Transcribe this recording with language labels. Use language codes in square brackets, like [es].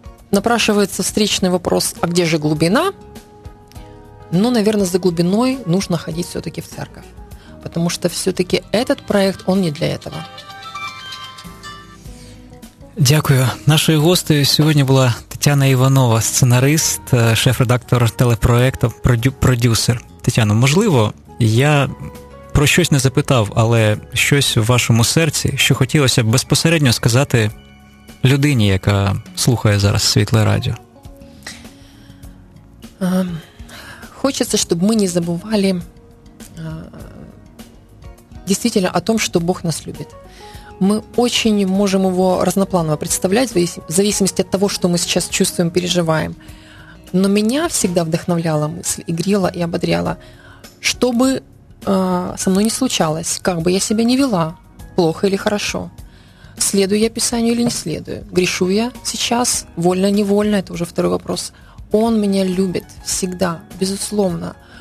[ru] Напрашивается встречный вопрос, а где же глубина? Ну, наверное, за глубиной нужно ходить все-таки в церковь. Потому что все-таки этот проект, он не для этого. [uk] Дякую. [ru] Нашей гостью сегодня была... [uk] Тетяна Іванова, сценарист, шеф-редактор телепроекту, продюсер. Тетяна, можливо, я про щось не запитав, але щось в вашому серці, що хотілося б безпосередньо сказати людині, яка слухає зараз Світле Радіо. Хочеться, щоб ми не забували [ru] действительно о том, что Бог нас любит. Мы очень можем его разнопланово представлять, в зависимости от того, что мы сейчас чувствуем, переживаем. Но меня всегда вдохновляла мысль, игрила и ободряла, что бы со мной ни случалось, как бы я себя ни вела, плохо или хорошо, следую я Писанию или не следую, грешу я сейчас, вольно-невольно, это уже второй вопрос, Он меня любит всегда, безусловно.